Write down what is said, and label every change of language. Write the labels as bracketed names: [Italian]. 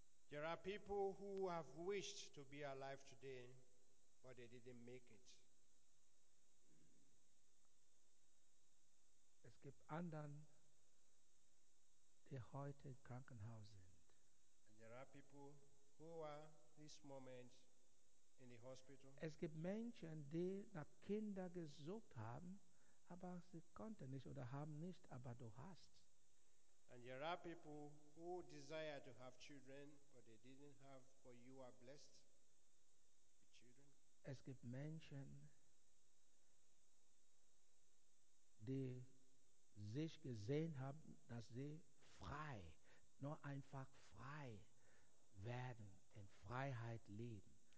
[English] There are people who have wished to be alive today, but they didn't make it. [German] Es gibt anderen, die heute im Krankenhaus sind. [English] And there are people who are this moment in the hospital. [German] Es gibt Menschen, die nach Kinder gesucht haben, aber sie konnten nicht oder haben nicht, aber du hast. [English] And there are people who desire to have children, but they didn't have, but you are blessed with children. [German] Es gibt Menschen, die sich gesehen haben, dass sie frei, nur einfach frei werden, in Freiheit leben.